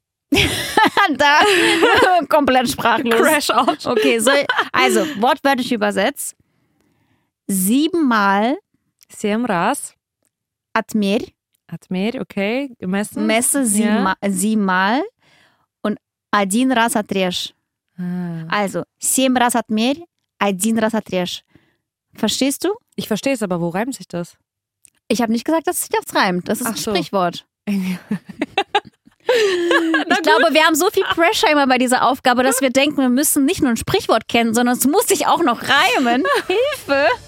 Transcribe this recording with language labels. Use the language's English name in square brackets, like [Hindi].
[German] Da. Komplett sprachlos. [English] Crash out. [German] Okay, so, also wortwörtlich übersetzt. Siebenmal. [Russian] Семь раз. Отмерь. Отмерь, okay. [German] Gemessen. Messe siebenmal. [Russian] Und один раз отрежь. Also, семь раз отмерь, один раз отрежь. [German] Verstehst du? Ich verstehe es, aber wo reimt sich das? Ich habe nicht gesagt, dass sich das reimt. Das ist ein Sprichwort. Ich glaube, wir haben so viel Pressure immer bei dieser Aufgabe, dass wir denken, wir müssen nicht nur ein Sprichwort kennen, sondern es muss sich auch noch reimen. Hilfe!